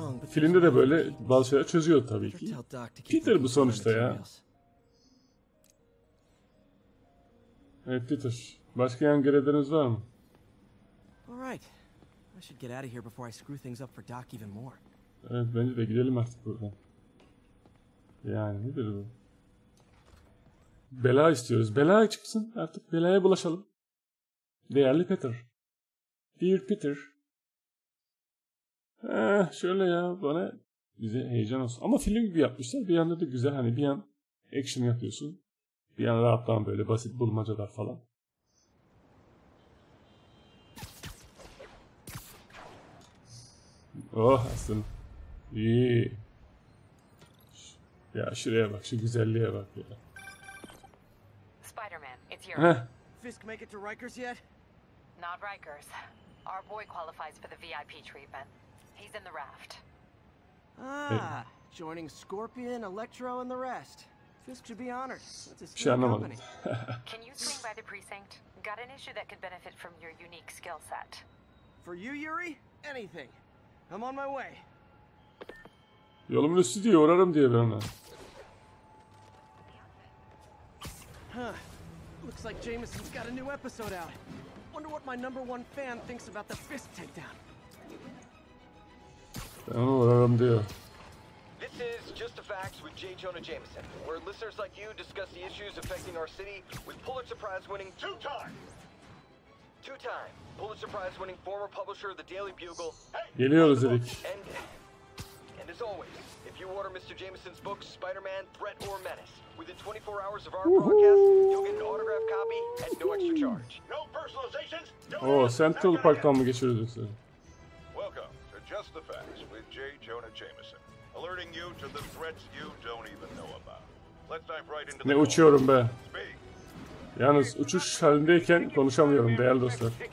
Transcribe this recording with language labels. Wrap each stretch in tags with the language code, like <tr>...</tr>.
<tr>filmde de böyle bazı şeyler çözüyor tabii ki. Peter bu sonuçta ya. Evet Peter. Başka yan görevleriniz var mı?</tr> <en>All right. I should get out of here before I screw things up for Doc even more.</en> <tr>Evet, bence de gidelim artık buradan. Yani nedir bu? Bela istiyoruz. Bela çıksın. Artık belaya bulaşalım. Değerli Peter.</tr> <en>Dear Peter.</en> <tr>Şöyle ya, bana bize heyecan olsun. Ama film gibi yapmışlar. Bir yanda da güzel, hani bir yan action yapıyorsun. Bir yan rahatlan böyle basit bulmacalar falan. Oh aslında. İyi. Ya şuraya bak, şu güzelliğe bak ya.</tr> <en>Spider-Man, it's your. Fisk make it to Rikers yet? Not Rikers. Our boy qualifies for the VIP treatment. He's in the raft. Ah, joining Scorpion, Electro and the rest. Fisk should be honored.</en> <tr>Bir şey anlamadım.</tr> <en>Can you swing by the precinct? Got an issue that could benefit from your unique skill set. For you, Yuri? Anything. I'm on my way.</en> <tr>Yolumun üstü diye uğrarım diye ben de.</tr> <en>Looks like Jameson's got a new episode out. Wonder what my number one fan thinks about the Fisk takedown.</en> <tr>Ben onu uğrarım diyor.</tr> <en>This is Just the Facts with J. Jonah Jameson, where listeners like you discuss the issues affecting our city with Pulitzer Prize winning two-time Pulitzer Prize winning former publisher of the Daily Bugle.</en> <tr>Hey! Geliyoruz dedik.</tr> <en>And as always, if you order Mr. Jameson's book, Spider-Man, Threat or Menace, within 24 hours of our broadcast, you'll get an autographed copy at no extra charge. No personalizations!</en> <tr>Oh, Central Park'tan mı geçiyoruz?</tr> <en>Welcome to Just the Facts with J. Jonah Jameson, alerting you to the threats you don't even know about. Let's dive right into</en> <tr>ne</tr> <en>the</en> <tr>uçuyorum be.</tr> <en>Speak.</en> <tr>Yalnız uçuş halindeyken konuşamıyorum değerli dostlar.</tr>